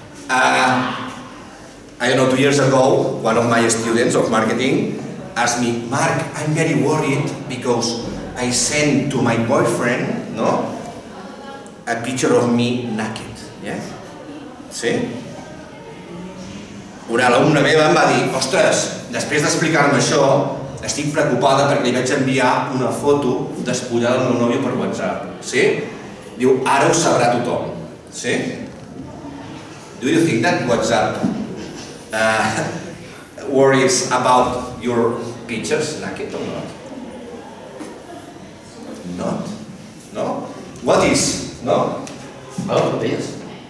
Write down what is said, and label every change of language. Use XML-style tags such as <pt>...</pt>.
<en>I don't know, 2 years ago, one of my students of marketing asked me, Mark, I'm very worried because I send to my boyfriend, no, a picture of me naked, yeah?</en> <ca>Sí? Una alumna meva em va dir, ostres, després d'explicar-me això, estic preocupada perquè li vaig enviar una foto despullada del meu nòvio per WhatsApp, sí? Diu, ara ho sabrà tothom, sí?</ca> <en>Do you think that WhatsApp worries about your pictures naked or not? Not? No? What is? No? Hello, what is?</en>